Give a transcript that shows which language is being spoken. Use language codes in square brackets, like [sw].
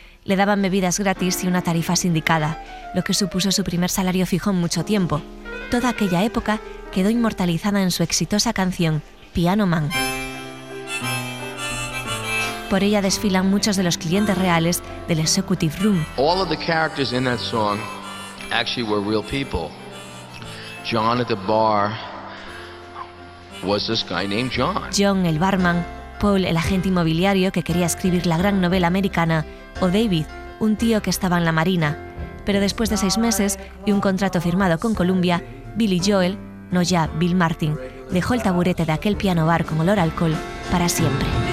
[es] Le daban bebidas gratis y una tarifa sindicada, lo que supuso su primer salario fijo en mucho tiempo. Toda aquella época quedó inmortalizada en su exitosa canción, Piano Man. Por ella desfilan muchos de los clientes reales del Executive Room. [en] All of the characters in that song actually were real people. John at the bar was this guy named John. [es] John, el barman, Paul, el agente inmobiliario que quería escribir la gran novela americana, o David, un tío que estaba en la marina. Pero después de 6 meses y un contrato firmado con Columbia, Billy Joel, no ya Bill Martin, dejó el taburete de aquel piano bar con olor a alcohol para siempre.